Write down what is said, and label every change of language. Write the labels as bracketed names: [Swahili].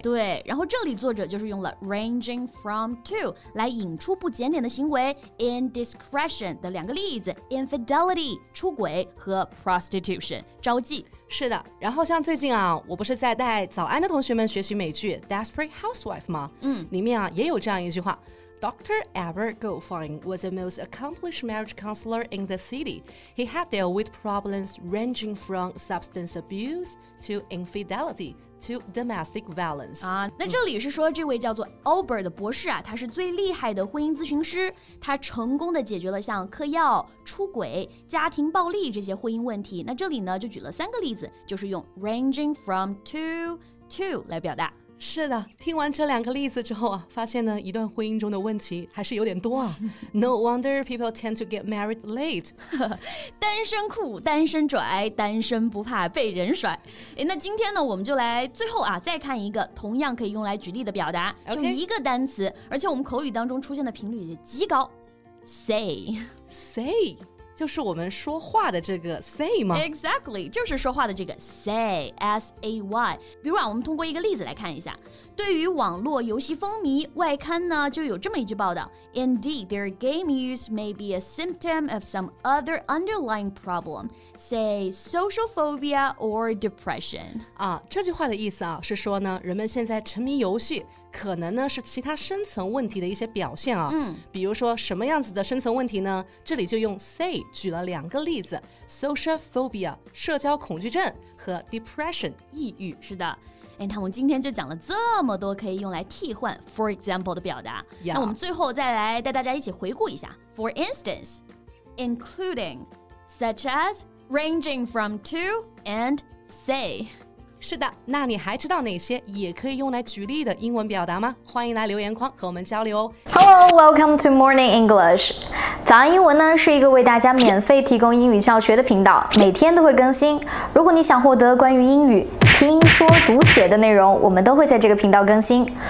[Chinese] 对，然后这里作者就是用了 ranging from to 来引出不检点的行为 indiscretion 的两个例子 infidelity 出轨和 prostitution 招妓。是的，然后像最近啊，我不是在带早安的同学们学习美剧 Desperate Housewife 吗？嗯，里面啊也有这样一句话， Dr. [English] Albert Goldfein was the most accomplished marriage counselor in the city. He had dealt with problems ranging from substance abuse to infidelity to domestic violence. [Chinese] 啊，那这里是说这位叫做 Albert 的博士啊，他是最厉害的婚姻咨询师，他成功的解决了像嗑药、出轨、家庭暴力这些婚姻问题。那这里呢就举了三个例子，就是用 ranging from to 来表达。是的，听完这两个例子之后啊，发现呢一段婚姻中的问题还是有点多啊。 [English] No wonder people tend to get married late. [Chinese] 单身苦，单身拽，单身不怕被人甩。诶，那今天呢我们就来最后啊再看一个同样可以用来举例的表达，就一个单词、 [English] okay. [Chinese] 而且我们口语当中出现的频率也极高。 [English] Say [Chinese] Say就是我们说话的这个 say 吗？ [English] Exactly, [Chinese] 就是说话的这个 say, S-A-Y. 比如啊，我们通过一个例子来看一下。对于网络游戏风靡，外刊呢就有这么一句报道。 [English] Indeed, their game use may be a symptom of some other underlying problem, say social phobia or depression. [Chinese] 啊，这句话的意思啊，是说呢，人们现在沉迷游戏可能呢是其他深层问题的一些表现啊、嗯、比如说什么样子的深层问题呢，这里就用 say 举了两个例子， social phobia 社交恐惧症和 depression 抑郁。是的，哎，那我们今天就讲了这么多可以用来替换 for example 的表达、 [English] yeah. [Chinese] 那我们最后再来带大家一起回顾一下。 [English] For instance, including, such as, ranging from to, and say。 [Chinese] 是的，那你还知道哪些也可以用来举例的英文表达吗？欢迎来留言框和我们交流哦。 [English] Hello, welcome to Morning English. [Chinese] 早安英文呢是一个为大家免费提供英语教学的频道，每天都会更新。如果你想获得关于英语听说读写的内容，我们都会在这个频道更新。